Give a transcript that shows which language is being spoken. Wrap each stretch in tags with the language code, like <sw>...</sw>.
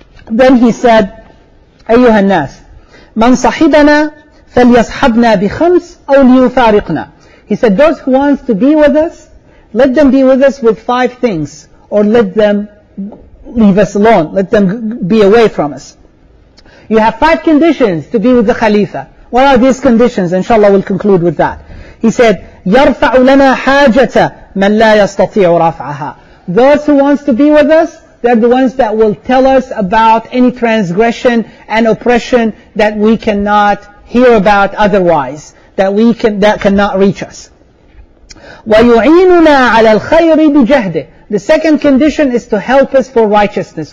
<ar>Then he said, أَيُّهَا النَّاسِ مَنْ صَحِبَنَا فَلْيَصْحَبْنَا بِخَمْسِ أَوْ لِيُفَارِقْنَا.</ar> <en>He said, those who wants to be with us, let them be with us with five things, or let them leave us alone, let them be away from us. You have five conditions to be with the Khalifa. What are these conditions? Inshallah, we'll conclude with that.</en> <ar>He said, يَرْفَعُ لَنَا حَاجَةَ مَنْ لَا يَسْتَطِيعُ رَفْعَهَا.</ar> <en>Those who wants to be with us, they're the ones that will tell us about any transgression and oppression that we cannot hear about otherwise, that cannot reach us.</en> <ar>وَيُعِينُنَا عَلَى الْخَيْرِ بِجَهْدِ.</ar> <en>The second condition is to help us for righteousness.</en>